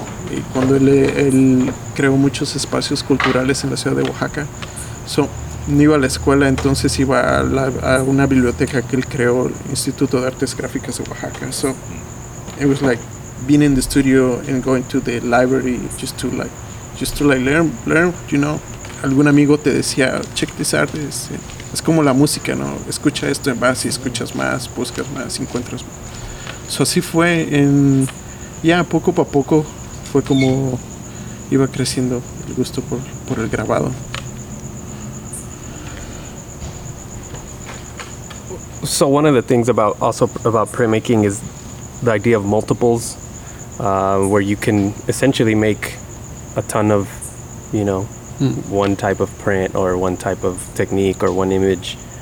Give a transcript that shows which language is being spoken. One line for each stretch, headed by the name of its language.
Spanish: Y cuando él creó muchos espacios culturales en la ciudad de Oaxaca, so, no iba a la escuela, entonces iba a una biblioteca que él creó, el Instituto de Artes Gráficas de Oaxaca.
English: So it was like being in the studio and going to the library just to learn, you know.
Spanish: Algún amigo te decía, check this art. Es como la música, ¿no? Escucha esto, vas y escuchas más, buscas más, encuentras más. So así fue, poco a poco fue como iba creciendo el gusto por el grabado.
English: So one of the things about also about printmaking is the idea of multiples, where you can essentially make a ton of, you know, one type of print or one type of technique or one image.